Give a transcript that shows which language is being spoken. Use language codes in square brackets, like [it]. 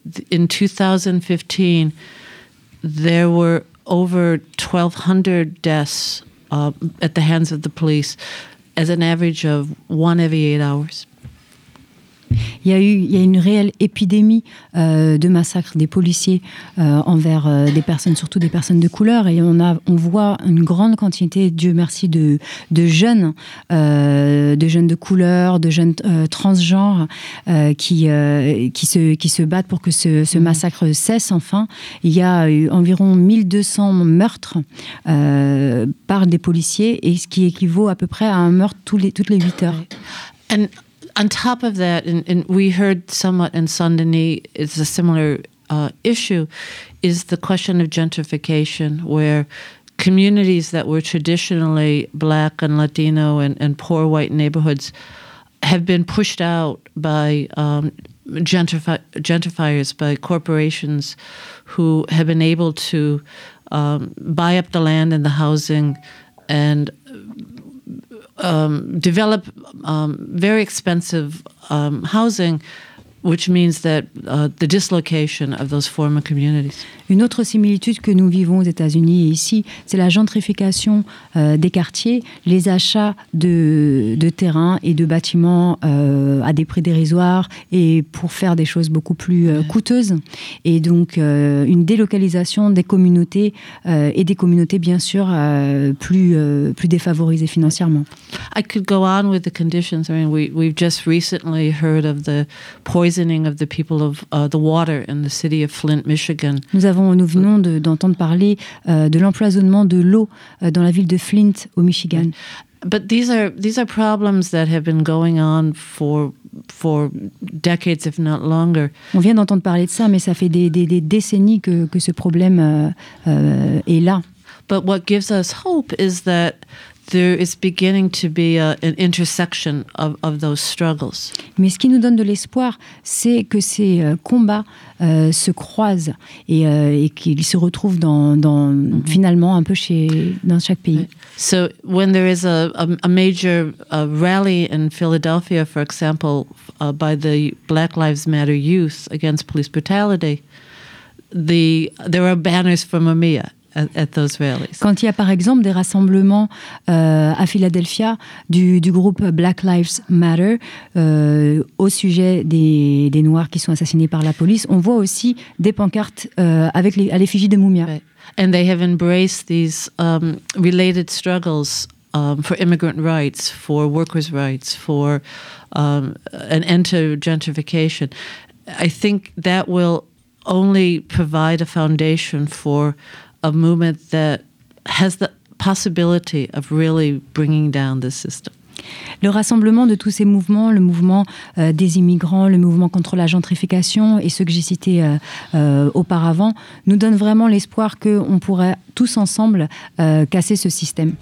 [en] In 2015, there were over 1,200 deaths at the hands of the police, as an average of 1 every 8 hours. [fr] Il y a une réelle épidémie de massacres des policiers envers des personnes, surtout des personnes de couleur. Et on voit une grande quantité, Dieu merci, de jeunes de couleur, de jeunes transgenres qui se battent pour que ce massacre cesse enfin. Il y a eu environ 1200 meurtres par des policiers, et ce qui équivaut à peu près à un meurtre toutes les 8 heures. [en] On top of that, and we heard somewhat in Saint-Denis, it's a similar issue, is the question of gentrification, where communities that were traditionally Black and Latino and poor white neighborhoods have been pushed out by gentrifiers, by corporations who have been able to buy up the land and the housing and develop very expensive housing, which means that the dislocation of those former communities. [fr] Une autre similitude que nous vivons aux États-Unis ici, c'est la gentrification des quartiers, les achats de terrains et de bâtiments à des prix dérisoires et pour faire des choses beaucoup plus coûteuses. Et donc une délocalisation des communautés et des communautés bien sûr plus défavorisées financièrement. [en] I could go on with the conditions. I mean, we've just recently heard of the poisoning of the people of the water in the city of Flint, Michigan. [fr] Nous venons d'entendre parler de l'empoisonnement de l'eau dans la ville de Flint au Michigan. [en] But these are problems that have been going on for decades, if not longer. [fr] On vient d'entendre parler de ça, mais ça fait des décennies que ce problème est là. [en] But what gives us hope is that there is beginning to be an intersection of those struggles. [fr] Mais ce qui nous donne de l'espoir, c'est que ces combats se croisent et qu'ils se retrouvent dans mm-hmm. finalement un peu dans chaque pays. [en] Right. So when there is a major rally in Philadelphia, for example, by the Black Lives Matter youth against police brutality, there are banners from OMEA. At those rallies. [fr] Quand il y a par exemple des rassemblements à Philadelphia du groupe Black Lives Matter au sujet des Noirs qui sont assassinés par la police, on voit aussi des pancartes à l'effigie de Mumia. [en] Right. And they have embraced these related struggles for immigrant rights, for workers' rights, for an end to gentrification. I think that will only provide a foundation for a movement that has the possibility of really bringing down the system. [fr] Le rassemblement de tous ces mouvements, le mouvement des immigrants, le mouvement contre la gentrification et ceux que j'ai cités auparavant, nous donne vraiment l'espoir qu'on pourrait tous ensemble casser ce système.